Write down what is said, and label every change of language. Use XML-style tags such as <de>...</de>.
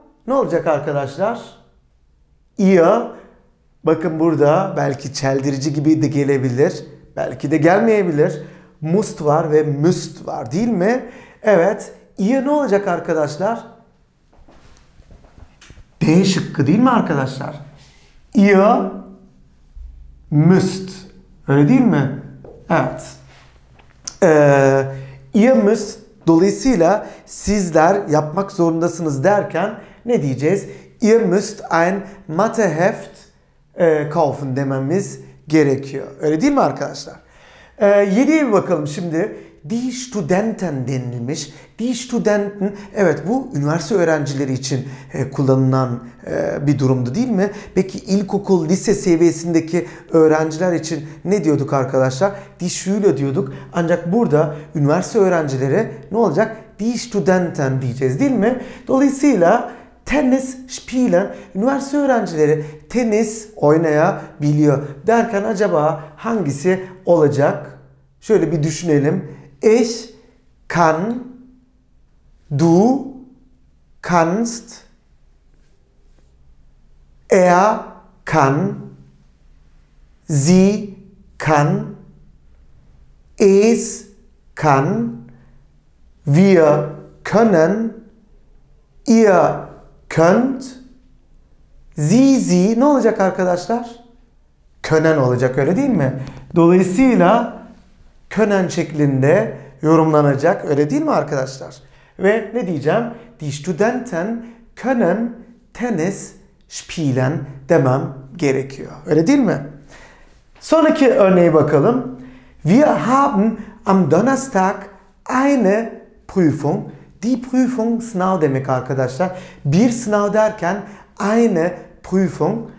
<tr>Ne olacak arkadaşlar? Ihr. Bakın burada belki çeldirici gibi de gelebilir. Belki de gelmeyebilir. Must var ve müst var değil mi? Evet. Ihr ne olacak arkadaşlar? D şıkkı değil mi arkadaşlar?</tr> <de>Ihr müsst.</de> <tr>Öyle değil mi? Evet.</tr> <de>Ihr müsst,</de> <tr>dolayısıyla sizler yapmak zorundasınız derken ne diyeceğiz?</tr> <de>Ihr müsst ein Matheheft kaufen</de> <tr>dememiz gerekiyor. Öyle değil mi arkadaşlar? 7'ye bir bakalım şimdi. Die Studenten denilmiş. Die Studenten, evet, bu üniversite öğrencileri için kullanılan bir durumdu değil mi? Peki ilkokul, lise seviyesindeki öğrenciler için ne diyorduk arkadaşlar? Die Schüler diyorduk. Ancak burada üniversite öğrencileri ne olacak? Die Studenten diyeceğiz değil mi? Dolayısıyla Tennis spielen, üniversite öğrencileri tenis oynayabiliyor derken acaba hangisi olacak? Şöyle bir düşünelim.</tr> <de>Ich kann, du kannst, er kann, sie kann, es kann, wir können, ihr könnt, sie,</de> <tr>ne olacak arkadaşlar? Können olacak, öyle değil mi? Dolayısıyla können şeklinde yorumlanacak, öyle değil mi arkadaşlar? Ve ne diyeceğim?</tr> <de>Die Studenten können Tennis spielen</de> <tr>demem gerekiyor. Öyle değil mi? Sonraki örneğe bakalım.</tr> <de>Wir haben am Donnerstag eine Prüfung.</de> <tr>Die Prüfung, sınav demek arkadaşlar. Bir sınav derken eine Prüfung.</tr>